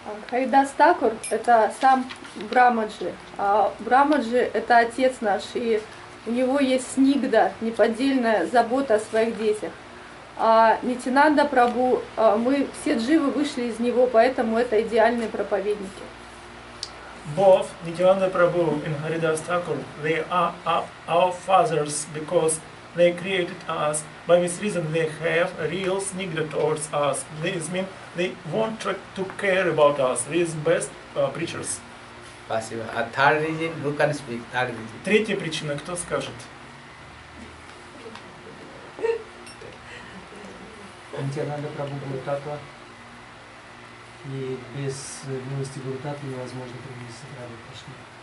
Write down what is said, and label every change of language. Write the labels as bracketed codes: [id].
[ru] Харидас Такур – это сам Брамаджи, а Брамаджи – это отец наш, и у него есть снигда, неподдельная забота о своих детях. А Нитинанда Прабу, мы все дживы вышли из него, поэтому это идеальные проповедники. [en] Both Nityananda Prabhu and Haridas Thakur, they are our fathers because they created us. By this reason, they have real snigda towards us. This means they won't try to care about us. These best preachers. Спасибо. А third reason, who can speak? Third reason. [ru] Третья причина, кто скажет? Нитинанда Прабху Гуру Татва. И без милости Гуру Татвы невозможно приблизиться к Радхе Кришне.